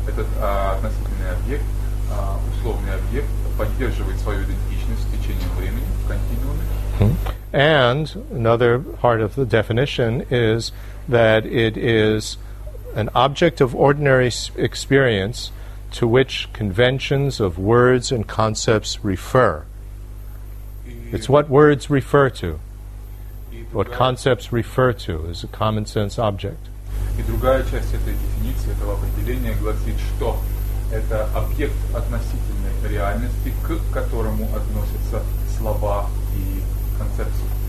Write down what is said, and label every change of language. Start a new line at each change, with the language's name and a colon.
Russian: этот относительный объект, условный объект, поддерживает свою идентичность в течение времени, в континууме.
English: And another part of the definition is that it is an object of ordinary experience to which conventions of words and concepts refer. It's what words refer to. What concepts refer to is a common sense object.
Russian: И другая часть этой дефиниции, этого определения, гласит, что это объект относительной реальности, к которому относятся слова и концепции.